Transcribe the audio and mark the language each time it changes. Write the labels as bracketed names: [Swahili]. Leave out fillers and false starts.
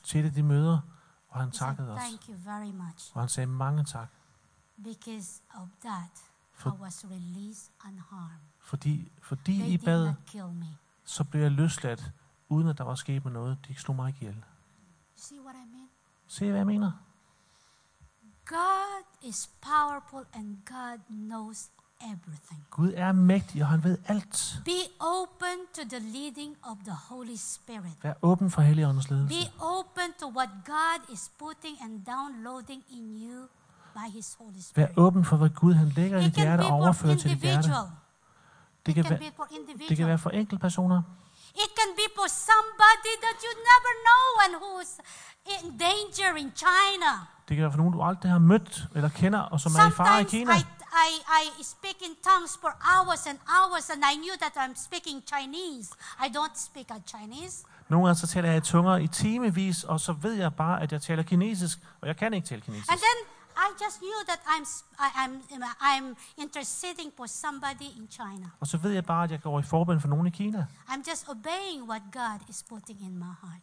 [Danish] Til de møder, og han takkede os. [English] Thank you very much. [Danish] Og han sagde mange tak. [English] Because of that, I was released unharmed. [Danish] Fordi I bad, så blev jeg løsladt uden at der var sket med noget. De slog mig ikke ihjel. [English] See what I mean? [Danish] Se hvad jeg mener. [English] God is powerful and God knows everything. [Danish] Gud er mægtig og han ved alt. [English] Be open to the leading of the Holy Spirit. [Danish] Vær åben for Helligåndens ledelse. [English] Be open to what God is putting and downloading in you [Danish] Vær åben for, hvad Gud han lægger i dit hjerte og overfører til dit hjerte. Det kan være for enkelte personer. [English] It can be for somebody that you never know and who's in danger in China. [Danish] Det kan være for nogen, du aldrig har mødt eller kender og som er i fare i Kina. [English] I speak in tongues for hours and hours, and I knew that I'm speaking Chinese. I don't speak a Chinese. [Danish] Nogle gange så taler jeg tunger i timevis, og så ved jeg bare, at jeg taler kinesisk, og jeg kan ikke tale kinesisk. [English] And then I just knew that I'm interceding for somebody in China. [Danish] Og så ved jeg bare, at jeg går i forbøn for nogen i Kina. [English] I'm just obeying what God is putting in my heart.